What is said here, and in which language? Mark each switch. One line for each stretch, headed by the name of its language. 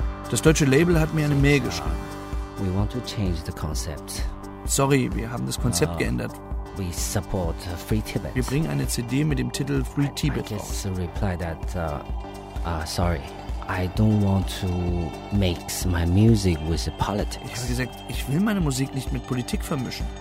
German: Das deutsche Label hat mir eine Mail geschrieben.
English: We want to change the concept.
German: Sorry, wir haben das Konzept geändert.
English: We support Free Tibet.
German: Wir bringen eine CD mit dem Titel Free Tibet.
English: I just reply that, sorry, I don't want to mix my music with politics.
German: Ich habe gesagt, ich will meine Musik nicht mit Politik vermischen.